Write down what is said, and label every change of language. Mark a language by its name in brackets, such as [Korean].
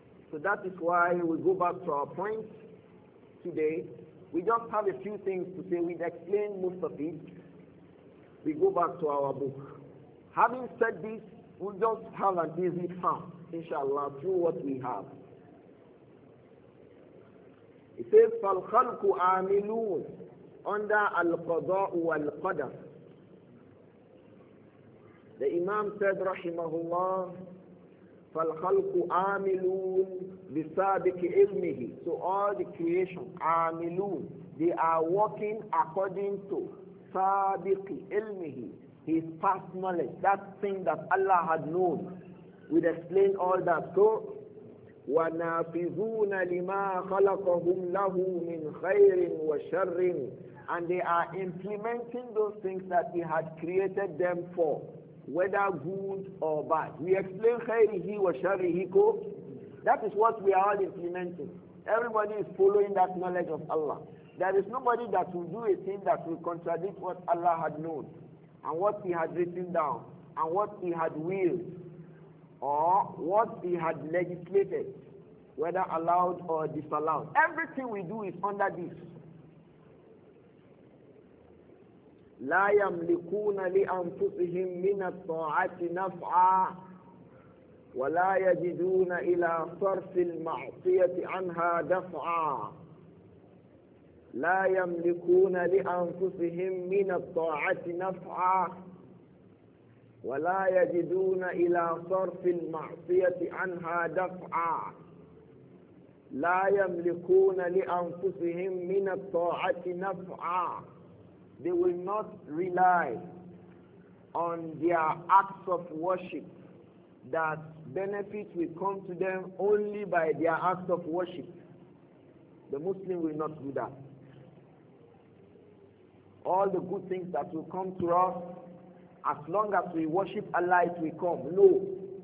[English] So that is why we go back to our point today. We just have a few things to say. We've explained most of it. We go back to our book. Having said this, we'll just have an easy time, inshallah, through what we have. It says, [Arabic] فَالْخَلْقُ عَامِلُونَ [English] under [Arabic] الْقَضَاءُ وَالْقَدَرُ. [English] The Imam said, [Arabic] rahimahullah, فَالْخَلْقُ عَامِلُونَ بِسَابِكِ عِلْمِهِ. [English] So all the creation, [Arabic] عَامِلُونَ, [English] they are working according to [Arabic] سَابِكِ عِلْمِهِ, [English] his past knowledge, that thing that Allah had known. We'd explain all that. So, [Arabic] وَنَافِذُونَ لِمَا خَلَقَهُمْ لَهُ مِنْ خَيْرٍ وَشَرٍ. [English] And they are implementing those things that he had created them for, whether good or bad. We explain [Arabic] khairihi wa sharrihi [English] ko. That is what we are all implementing. Everybody is following that knowledge of Allah. There is nobody that will do a thing that will contradict what Allah had known, and what he had written down, and what he had willed, or what he had legislated, whether allowed or disallowed. Everything we do is under this. [Arabic] لا يملكون لأنفسهم من الطاعة نفعا ولا يجدون إلى صرف المعصية عنها دفعا. لا يملكون لأنفسهم من الطاعة نفعا ولا يجدون إلى صرف المعصية عنها دفعا. لا يملكون لأنفسهم من الطاعة نفعا. [English] They will not rely on their acts of worship that benefits will come to them only by their acts of worship. The Muslim will not do that. All the good things that will come to us, as long as we worship Allah, it will come. No.